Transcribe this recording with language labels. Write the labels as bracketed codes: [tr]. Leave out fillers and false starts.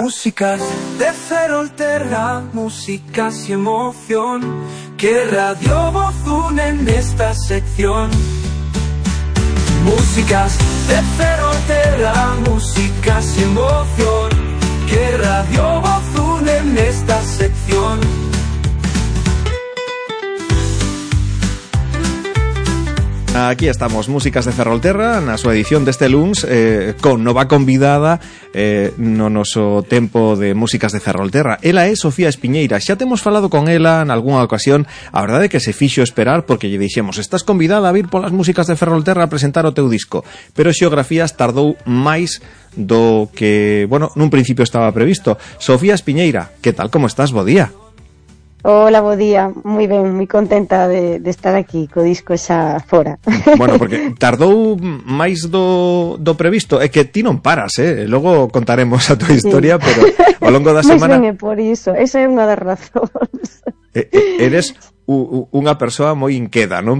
[es] Músicas de Ferrolterra, músicas y emoción, que Radio Voz une en esta sección. Músicas de Ferrolterra, músicas y emoción, que Radio Voz une en esta sección. [gl] Aquí estamos, Músicas de Ferrolterra, na súa edición deste luns, con nova convidada no noso tempo de Músicas de Ferrolterra. Ela é Sofía Espiñeira. Xa temos falado con ela en algunha ocasión. A verdade é que se fixo esperar porque lle dixemos: estás convidada a vir polas Músicas de Ferrolterra a presentar o teu disco. Pero Xeografías tardou máis do que, bueno, nun principio estaba previsto. Sofía Espiñeira, que tal, como estás? Bo día. Hola, bo día, moi ben, moi contenta de estar aquí co disco xa fora. Bueno, porque tardou máis do previsto. É que ti non paras, logo contaremos a tua historia, sí. Pero ao longo da semana... Mais ben, por iso, esa é unha das razóns. Eres unha persoa moi inqueda, non?